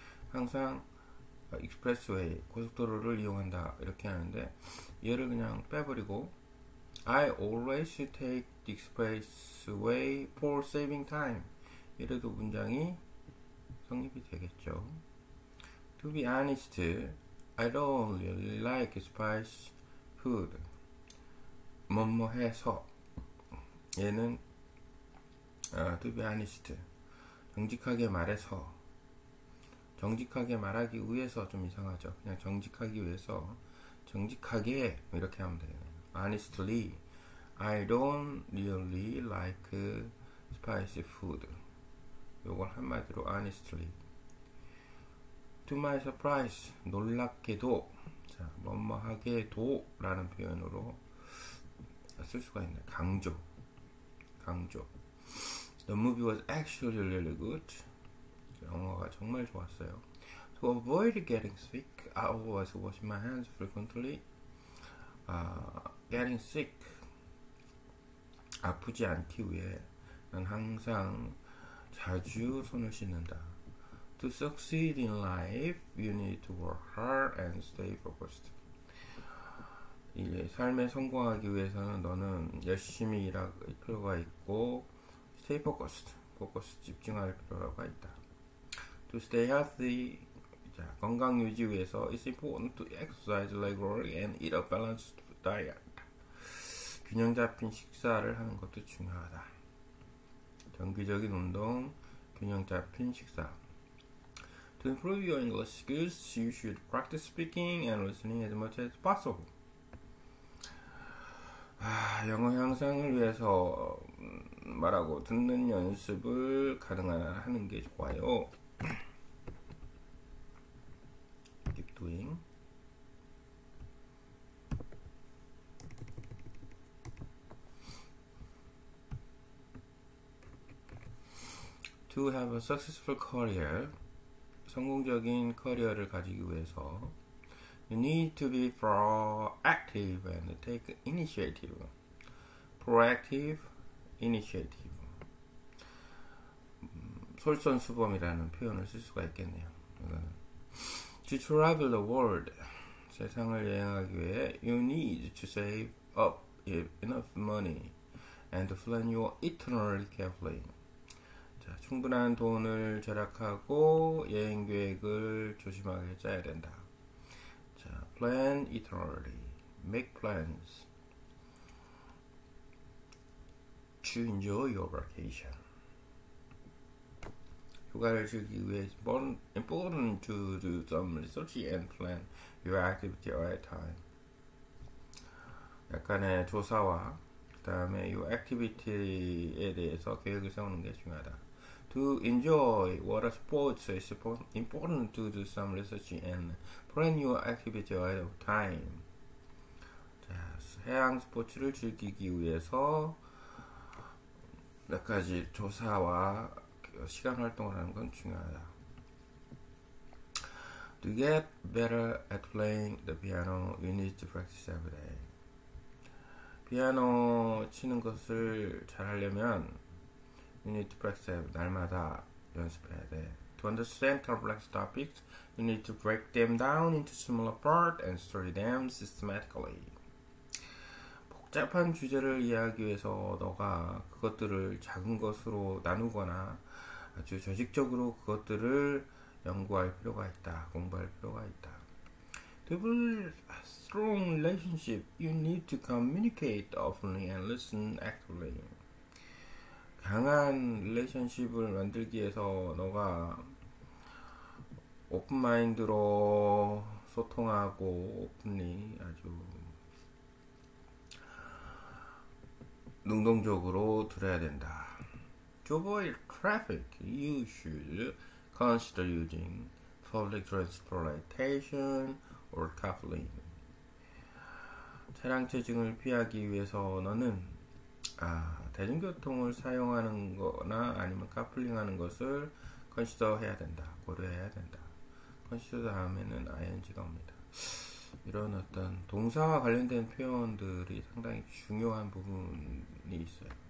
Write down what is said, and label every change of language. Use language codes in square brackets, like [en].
[ko] 항상 expressway, 고속도로를 이용한다. 이렇게 하는데 얘를 그냥 빼버리고 [en] I always take the expressway for saving time. [ko] 이래도 문장이 성립이 되겠죠. [en] To be honest, I don't really like spicy food. [ko] 뭐뭐해서 얘는 [en] to be honest, [ko] 정직하게 말해서, 정직하게 말하기 위해서 좀 이상하죠. 그냥 정직하기 위해서, 정직하게 이렇게 하면 돼요. [en] Honestly. I don't really like spicy food. [ko] 요걸 한마디로 honestly. [en] To my surprise, [ko] 놀랍게도, 자, 뭐뭐하게도라는 표현으로 쓸 수가 있네. 강조. 강조. [en] The movie was actually really good. [ko] 영화가 정말 좋았어요. [en] To avoid getting sick, I always wash my hands frequently. Getting sick. [ko] 아프지 않기 위해 난 항상 자주 손을 씻는다. [en] To succeed in life, you need to work hard and stay focused. [ko] 이제 삶에 성공하기 위해서는 너는 열심히 일할 필요가 있고, [en] stay focused, [ko] 포커스 집중할 필요가 있다. [en] To stay healthy, [ko] 자, 건강 유지 위해서 [en] it's important to exercise regularly and eat a balanced diet. [ko] 균형 잡힌 식사를 하는 것도 중요하다. 정기적인 운동, 균형 잡힌 식사. [en] To improve your English skills, you should practice speaking and listening as much as possible. [ko] 아, 영어 향상을 위해서 말하고 듣는 연습을 가능한 한 하는 게 좋아요. [en] Keep doing. 'To have a successful career', [ko] 성공적인 커리어를 가지기 위해서 [en] 'You need to be proactive and take initiative'. Proactive, initiative. [ko] 솔선수범이라는 표현을 쓸 수가 있겠네요. [en] 이거는. 'To travel the world', [ko] 세상을 여행하기 위해 [en] 'You need to save up enough money and plan your itinerary carefully'. [ko] 충분한 돈을 절약하고 여행 계획을 조심하게 짜야 된다. [en] 자, plan itinerary, make plans to enjoy your vacation. [ko] 휴가를 즐기기 위해 [en] important to do some research and plan your activity ahead of time. [ko] 약간의 조사와 그 다음에 [en] your activity [ko] 에 대해서 계획을 세우는 게 중요하다. [en] To enjoy water sports is important to do some research and plan your activity ahead of time. [ko] 자, 해양 스포츠를 즐기기 위해서 몇 가지 조사와 시간 활동을 하는 건 중요하다. [en] To get better at playing the piano, you need to practice every day. [ko] 피아노 치는 것을 잘 하려면 [en] You need to practice [ko] 날마다 연습해야 돼. [en] To understand complex topics, you need to break them down into smaller parts and study them systematically. [ko] 복잡한 주제를 이해하기 위해서 너가 그것들을 작은 것으로 나누거나 아주 조직적으로 그것들을 연구할 필요가 있다. 공부할 필요가 있다. [en] To build a strong relationship, you need to communicate openly and listen actively. [ko] 강한 릴레이션십을 만들기 위해서 너가 오픈마인드로 소통하고 오픈이 아주 능동적으로 들어야 된다. [en] To avoid traffic, you should consider using public transportation or carpooling. [ko] 차량 체증을 피하기 위해서 너는 아 대중교통을 사용하는 거나 아니면 카플링하는 것을 컨시더 해야 된다. 고려해야 된다. 컨시더 다음에는 ing가 옵니다. 이런 어떤 동사와 관련된 표현들이 상당히 중요한 부분이 있어요.